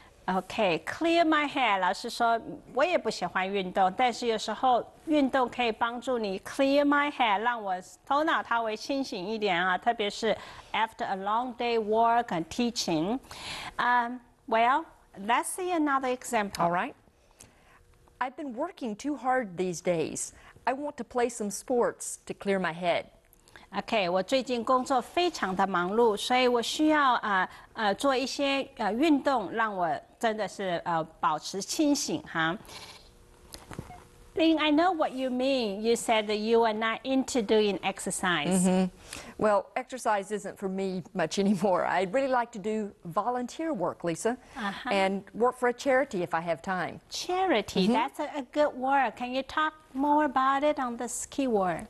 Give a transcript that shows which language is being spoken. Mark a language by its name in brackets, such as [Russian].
[English] Okay, clear my head. [Chinese] 老师说我也不喜欢运动，但是有时候运动可以帮助你 clear my head， 让我头脑稍微清醒一点啊。特别是 [English] after a long day work and teaching. Well, let's see another example. All right. I've been working too hard these days. I want to play some sports to clear my head. [Chinese] Okay, 我最近工作非常的忙碌，所以我需要做一些运动，让我真的是保持清醒哈。 [English] Lynn, I know what you mean. You said that you are not into doing exercise. Mm-hmm. Well, exercise isn't for me much anymore. I'd really like to do volunteer work, Lisa, and work for a charity if I have time. Charity, that's a good word. Can you talk more about it on this keyword?